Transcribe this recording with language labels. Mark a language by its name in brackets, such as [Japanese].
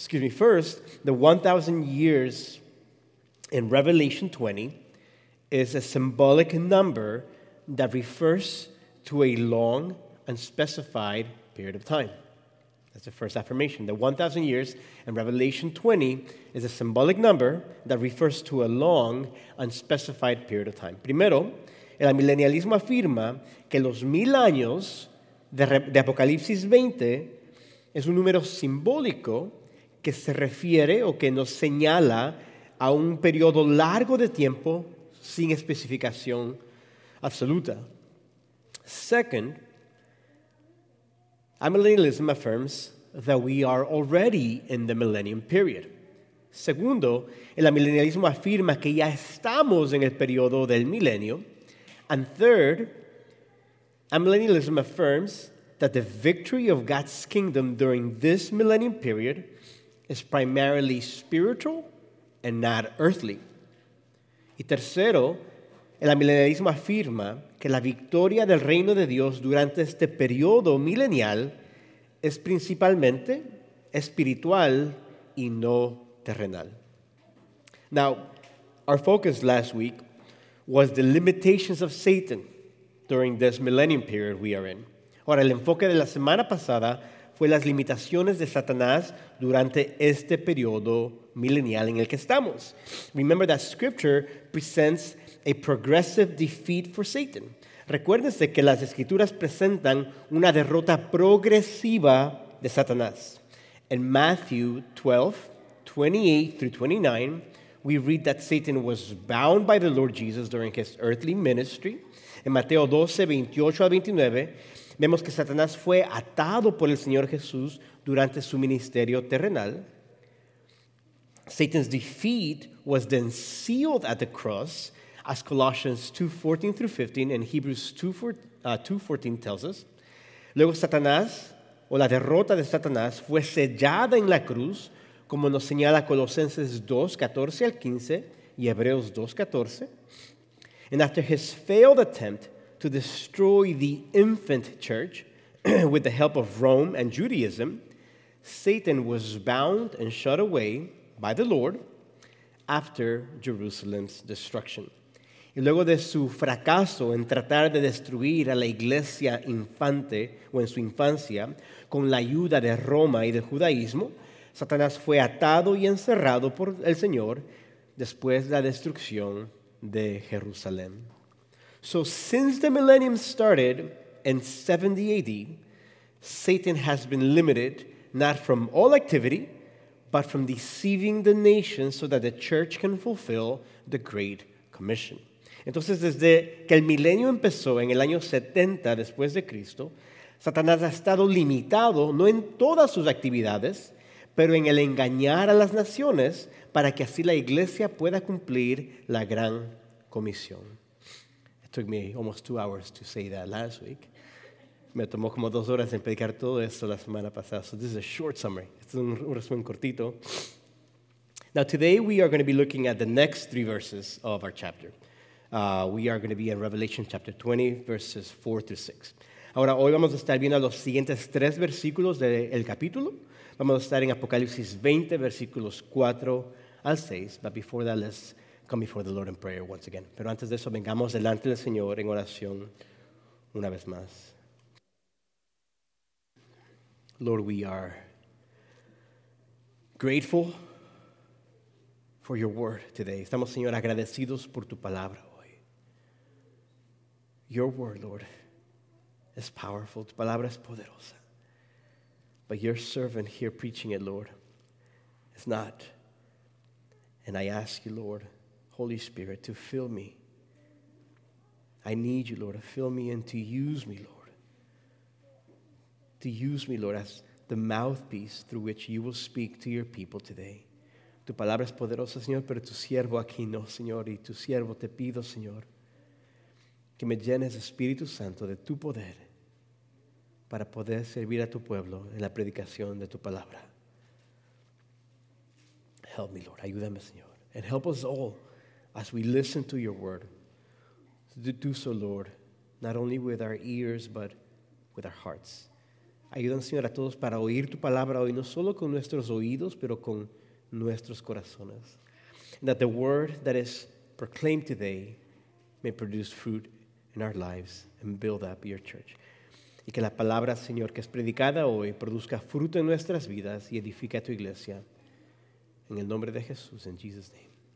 [English] First, the 1,000 years in Revelation 20 is a symbolic number that refers to a long and specified period of time. That's the first affirmation. The 1,000 years in Revelation 20 is a symbolic number that refers to a long and specified period of time. [Spanish] Primero, el amilenialismo afirma que los 1,000 años de Apocalipsis 20 es un número simbólico que se refiere o que nos señala a un periodo largo de tiempo sin especificación absoluta. [English] Second, amillennialism affirms that we are already in the millennium period. [Spanish] Segundo, el amilenialismo afirma que ya estamos en el periodo del milenio. [English] And third, amillennialism affirms that the victory of God's kingdom during this millennium period is primarily spiritual and not earthly. [Spanish] Y tercero, el amillennialismo afirma que la victoria del reino de Dios durante este periodo milenial es principalmente espiritual y no terrenal. [English] Now, our focus last week was the limitations of Satan during this millennium period we are in. [Spanish] Ahora, el enfoque de la semana pasada fue las limitaciones de Satanás durante este periodo milenial en el que estamos. [English] Remember that Scripture presents a progressive defeat for Satan. [Spanish] Recuérdense que las Escrituras presentan una derrota progresiva de Satanás. [English] In Matthew 12:28-29, we read that Satan was bound by the Lord Jesus during his earthly ministry. [Spanish] En Mateo 12:28-29, vemos que Satanás fue atado por el Señor Jesús durante su ministerio terrenal. [English] Satan's defeat was then sealed at the cross, as Colossians 2:14-15 and Hebrews 2:14 tells us. [Spanish] Luego Satanás, o la derrota de Satanás, fue sellada en la cruz, como nos señala Colosenses 2:14-15 y Hebreos 2:14. [English] And after his failed attempt to destroy the infant church with the help of Rome and Judaism, Satan was bound and shut away by the Lord after Jerusalem's destruction. [Spanish] Y luego de su fracaso en tratar de destruir a la iglesia infante o en su infancia con la ayuda de Roma y del judaísmo, Satanás fue atado y encerrado por el Señor después de la destrucción de Jerusalén. [English] So since the millennium started in 70 AD, Satan has been limited not from all activity, but from deceiving the nations so that the church can fulfill the Great Commission. [Spanish] Entonces, desde que el milenio empezó en el año 70 después de Cristo, Satanás ha estado limitado, no en todas sus actividades, pero en el engañar a las naciones para que así la iglesia pueda cumplir la gran comisión. [English] It took me almost 2 hours to say that last week. [Spanish] Me tomó como 2 horas en predicar todo esto la semana pasada. [English] So this is a short summary. [Spanish] Esto es un resumen cortito. [English] Now today we are going to be looking at the next 3 verses of our chapter. We are going to be in Revelation chapter 20, verses 4 through 6. [Spanish] Ahora, hoy vamos a estar viendo los siguientes 3 versículos del capítulo. Vamos a estar en Apocalipsis 20, versículos 4 al 6. [English] But before that, let's come before the Lord in prayer once again. [Spanish] Pero antes de eso, vengamos delante del Señor en oración una vez más. [English] Lord, we are grateful for your word today. [Spanish] Estamos, Señor, agradecidos por tu palabra. [English] Your word, Lord, is powerful. [Spanish] Tu palabra es poderosa. [English] But your servant here preaching it, Lord, is not. And I ask you, Lord, Holy Spirit, to fill me. I need you, Lord, to fill me and to use me, Lord. To use me, Lord, as the mouthpiece through which you will speak to your people today. [Spanish] Tu palabra es poderosa, Señor, pero tu siervo aquí no, Señor. Y tu siervo te pido, Señor, que me llenes, Espíritu Santo, de tu poder para poder servir a tu pueblo en la predicación de tu palabra. [English] Help me, Lord. [Spanish] Ayúdame, Señor. [English] And help us all as we listen to your word to do so, Lord, not only with our ears, but with our hearts. [Spanish] Ayúdame, Señor, a todos para oír tu palabra hoy, no solo con nuestros oídos, pero con nuestros corazones. [English] And that the word that is proclaimed today may produce fruit in our lives, and build up your church. [Spanish] Y que la palabra, Señor, que es predicada hoy, produzca fruto en nuestras vidas y edifique a tu iglesia. En el nombre de Jesús, [English] in Jesus' name.